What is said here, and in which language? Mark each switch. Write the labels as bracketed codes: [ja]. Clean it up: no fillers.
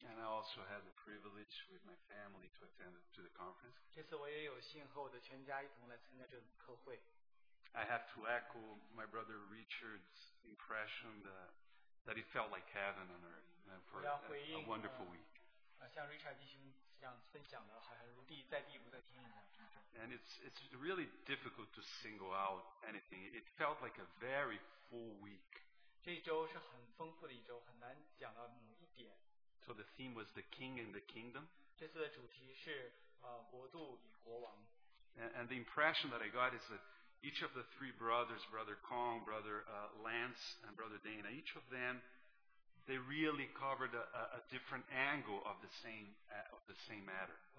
[en] And I also had the privilege with my family to attend to the conference. [zh] 这次我也有幸和我的全家一同来参加这个课会. [en] I have to echo my brother Richard's impression that it felt like heaven on earth for a wonderful week. [zh] 像 Richard弟兄这样分享的，好像如地在地，如在天一样。 [en] And it's really difficult to single out anything. It felt like a very full week. [zh] 这一周是很丰富的一周，很难讲到某一点。 [en] So the theme was the king and the kingdom. [zh] 这次的主题是 国度与国王。 [en] And the impression that I got is that each of the three brothers, Brother Kong, Brother Lance, and Brother Dana, each of them, they really covered a different angle of the same matter.